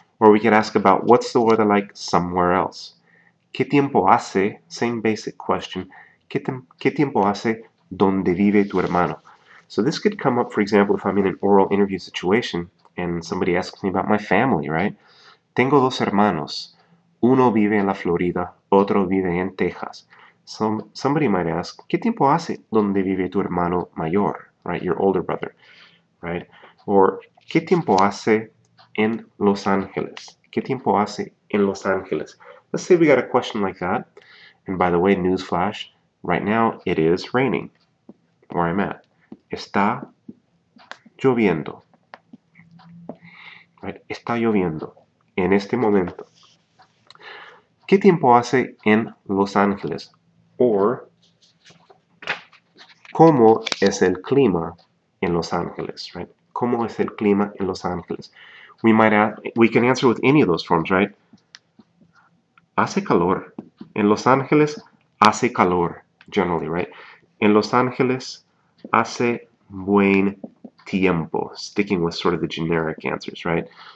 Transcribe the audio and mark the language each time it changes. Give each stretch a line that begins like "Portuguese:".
English: Or we could ask about what's the weather like somewhere else.
Spanish: ¿Qué tiempo hace?
English: Same basic question.
Spanish: ¿Qué tiempo hace donde vive tu hermano?
English: So this could come up, for example, if I'm in an oral interview situation and somebody asks me about my family, right?
Spanish: Tengo dos hermanos. Uno vive en la Florida, otro vive en Texas.
English: So somebody might ask,
Spanish: ¿qué tiempo hace donde vive tu hermano mayor?
English: Right, your older brother, right? Or,
Spanish: ¿qué tiempo hace en Los Ángeles? ¿Qué tiempo hace en Los Ángeles?
English: Let's say we got a question like that, and by the way, newsflash, right now it is raining where I'm at. Está
Spanish: lloviendo. Right? Está lloviendo en este momento. ¿Qué tiempo hace en Los Ángeles? Or, ¿cómo es el clima en Los Ángeles? Right? ¿Cómo es el clima en Los Ángeles?
English: We might ask, we can answer with any of those forms, right?
Spanish: Hace calor. En Los Ángeles, hace calor,
English: generally, right?
Spanish: En Los Ángeles, hace buen tiempo.
English: Sticking with sort of the generic answers, right?